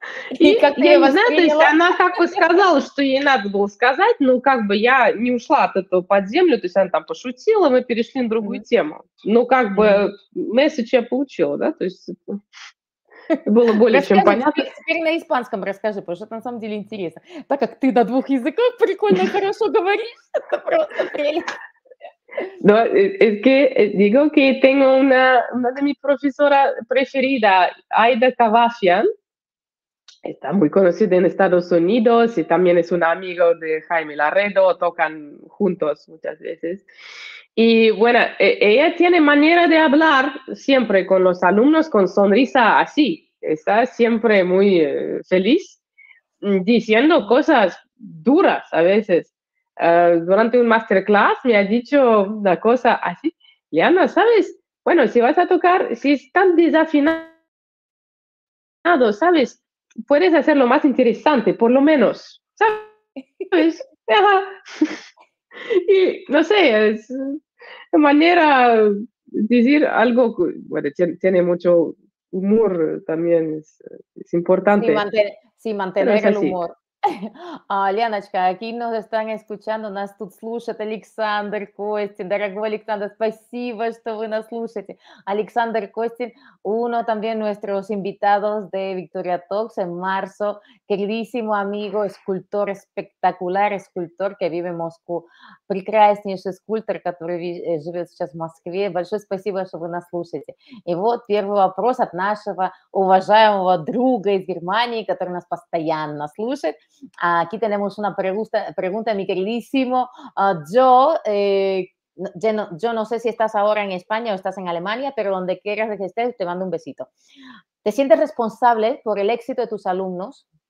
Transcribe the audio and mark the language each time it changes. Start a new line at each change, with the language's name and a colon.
Russian: И как я не знаю, то есть она как бы сказала, что ей надо было сказать, но как бы я не ушла от этого под землю, то есть она там пошутила, мы перешли на другую тему. Ну, как бы месседж я получила, да, то есть... Было более чем понятно. Теперь на испанском расскажи, потому что это на самом деле интересно. Так как ты на двух языках прикольно и хорошо говоришь, это просто прелесть.
Spanish: Es que digo que tengo una de mi profesora preferida, Aida Kavafian. Está muy conocida en Estados Unidos y también es un amigo de Jaime Laredo. Tocan juntos muchas veces. Y bueno, ella tiene manera de hablar siempre con los alumnos con sonrisa así. Está siempre muy feliz diciendo cosas duras a veces. Durante un masterclass me ha dicho una cosa así. Liana, ¿sabes? Bueno, si vas a tocar, si es tan desafinado, ¿sabes? Puedes hacerlo más interesante, por lo menos. ¿Sabes? Y no sé, es... manera de decir algo, bueno, tiene mucho humor también, es importante. Sí, mantener el humor.
Russian: Леночка,
Spanish: aquí nos están escuchando,
Russian: нас тут слушает Александр Костин. Дорогой Александр, спасибо, что вы нас слушаете.
Spanish: Александр Костин, uno también nuestros invitados de Victoria Talks en marzo. Queridísimo amigo, escultor, espectacular escultor, que vive en Moscú.
Russian: Прекраснейший скульптор, который живет сейчас в Москве. Большое спасибо, что вы нас слушаете. И вот первый вопрос от нашего уважаемого друга из Германии, который нас постоянно слушает.
Spanish: Aquí tenemos una pregunta, mi queridísimo Joe. Yo no sé si estás ahora en España o estás en Alemania, pero donde quieras que estés, te mando un besito. ¿Te sientes responsable por el éxito de tus alumnos?